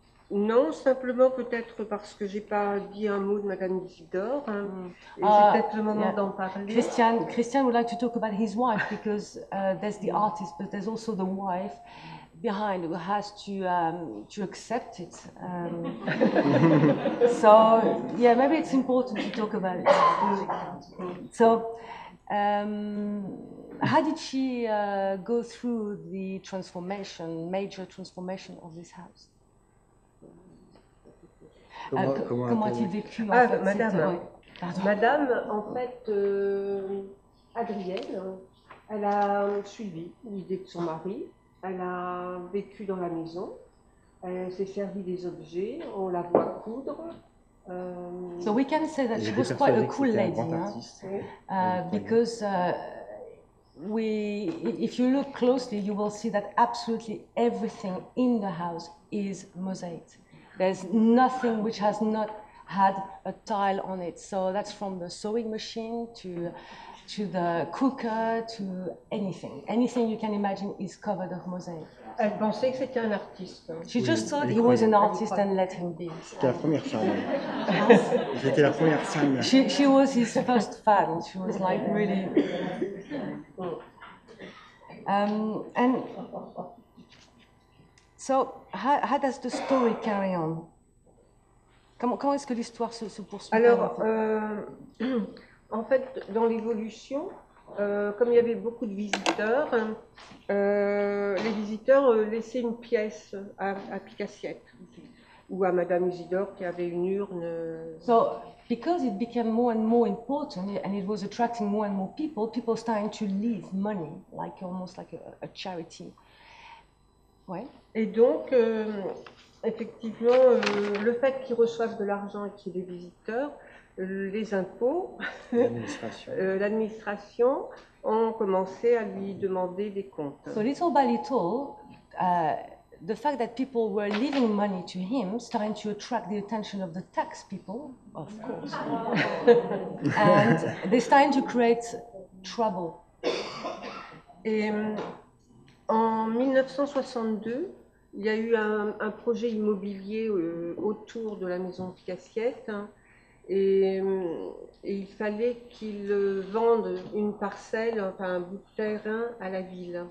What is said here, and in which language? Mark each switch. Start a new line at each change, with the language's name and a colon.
French: Non, simplement peut-être parce que j'ai pas dit un mot de Madame Isidore. Hein, et c'est peut-être le moment d'en parler.
English: Christian would like to talk about his wife because there's the artist, but there's also the wife behind who has to accept it. So yeah, maybe it's important to talk about it. So how did she go through the transformation, major transformation of this house?
French: Comment a-t-il vécu en fait, Madame, en fait, Adrienne, elle a suivi l'idée de son mari. Elle a vécu dans la maison, elle s'est servi des objets, on la voit coudre.
English: So we can say that she was quite a cool lady, huh? Because we, if you look closely, you will see that absolutely everything in the house is mosaic. There's nothing which has not had a tile on it. So that's from the sewing machine to the cooker, to anything. Anything you can imagine is covered of mosaic.
French: Elle pensait que c'était un artiste.
English: She
French: oui,
English: just thought he
French: croyait.
English: Was an artist and let him be.
French: C'était la première femme. C'était la première femme.
English: She was his first fan. She was like really... and so how does the story carry on?
French: Comment est-ce que l'histoire se poursuit? Alors, en fait, dans l'évolution, comme il y avait beaucoup de visiteurs, les visiteurs laissaient une pièce à Picassiette ou à Madame Isidore qui avait une urne.
English: So, because it became more and more important and it was attracting more and more people, people started to leave money, like almost like a charity.
French: Ouais. Et donc. Effectivement, le fait qu'ils reçoivent de l'argent et qu'il y ait des visiteurs, les impôts, l'administration ont commencé à lui demander des comptes. So little by little, the fact that people were leaving money to him started to attract the attention of the tax people, of course, and they started to create trouble. Et, en 1962. Il y a eu un projet immobilier autour de la maison de Picassiette hein, et il fallait qu'il vende une parcelle, enfin un bout de terrain à la ville.